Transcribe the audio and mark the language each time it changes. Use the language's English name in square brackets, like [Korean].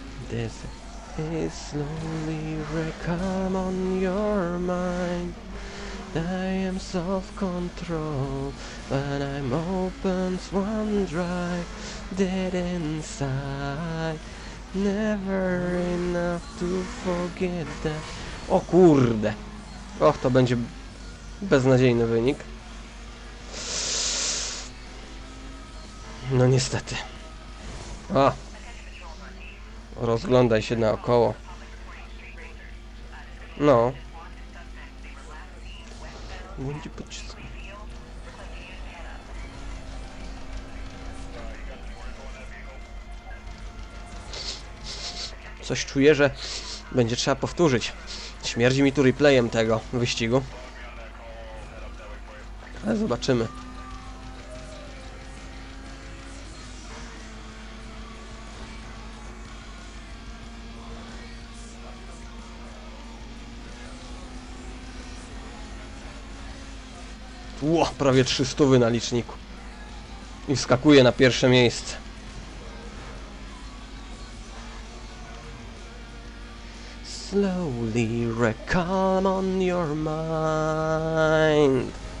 [English] They said, slowly recall on your mind. I am self-control, but I'm open one drive, dead inside, never enough to forget that. [Polish] O kurde! Och, to będzie beznadziejny wynik. No niestety. O! Rozglądaj się naokoło. No. Będzie pocisk. Coś czuję, że będzie trzeba powtórzyć. Śmierdzi mi tu replayem tego wyścigu. Ale zobaczymy. Ło, prawie 300 na liczniku. I wskakuje na pierwsze miejsce. [English] Slowly recall on your mind.